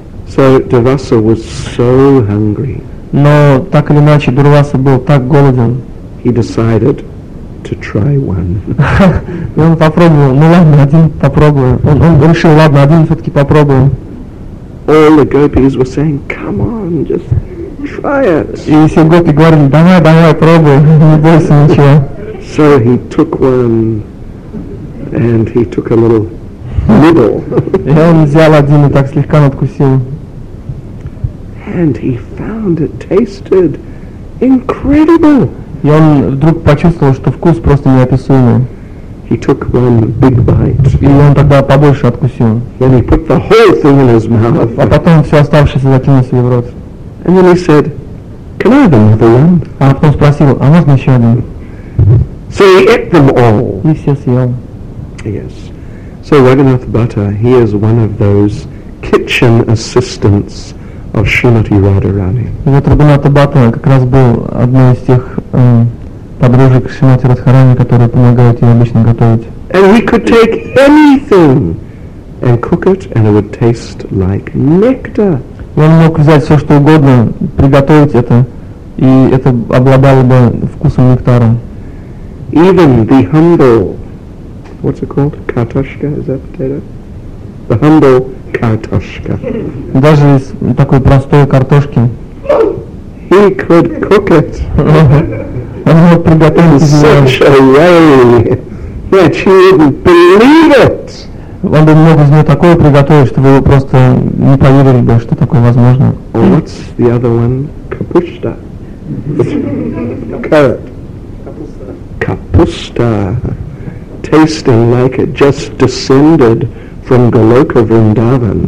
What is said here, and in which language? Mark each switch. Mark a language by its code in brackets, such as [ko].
[en] So Devasa was so hungry. [ru] Но так или иначе, Дурваса был так голоден. [en] He decided to try one. [ru] И он попробовал, ну ладно, один попробую. Он решил, ладно, один все-таки попробуем. [en] All the gopis were saying, come on, just try it. [ru] И все гопи говорили, давай, давай, пробуй, не бойся ничего. [en] So he took one, and he took a little nibble. [ru] И он взял один и так слегка надкусил. [en] And he found it tasted incredible. [ru] И он вдруг почувствовал, что вкус просто неописуемый. [en] He took one big bite. [ru] И он тогда побольше откусил. [en] Then he put the whole thing in his mouth. [ru] А потом все оставшееся закинул себе в рот. [en] And then he said, "Can I have another one?" [ru] А потом спросил, а можно еще один? [en] So he ate them all. [ru] И все съел. [en] Yes. So Raghunath Bhatta, he is one of those kitchen assistants of Srimati Radharani. [ru] Вот Рагунат Бхатта как раз был одной из тех подружек Шримати Радхарани, которые помогают ей обычно готовить. [en] And he could take anything and cook it, and it would taste like nectar. [ru] И он мог взять все что угодно, приготовить это, и это обладало бы вкусом нектара. [en] Even the humble, what's it called? Kartoshka, is that potato? The humble kartoshka. [ru] Даже из такой простой картошки. [en] He could cook it. [ru] Он мог приготовить [en] it. In such a way that you wouldn't believe it. [ru] Он бы мог из него такое приготовить, что вы просто не поверили бы, что такое возможно. [en] Or what's the other one? Капушта. Carrot. Капуста. Tasting like it just descended from Goloka Vrindavan.